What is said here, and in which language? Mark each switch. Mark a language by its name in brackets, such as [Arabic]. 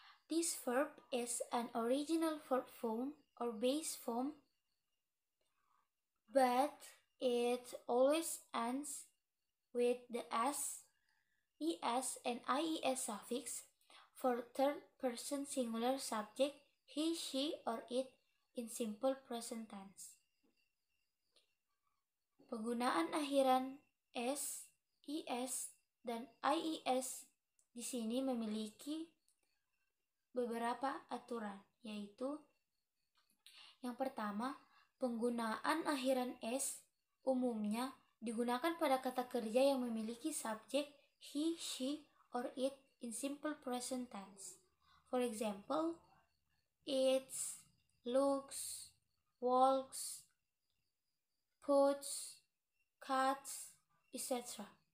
[English] This verb is an original verb form or base form, but it always ends with the S, ES, and IES suffix for third person singular subject, he, she, or it, in simple present tense. [Indonesian] Penggunaan akhiran s, es, dan ies di sini memiliki beberapa aturan, yaitu yang pertama, penggunaan akhiran s umumnya digunakan pada kata kerja yang memiliki subjek [English] he, she, or it in simple present tense. For example, it's, looks, walks, puts, cuts, etc.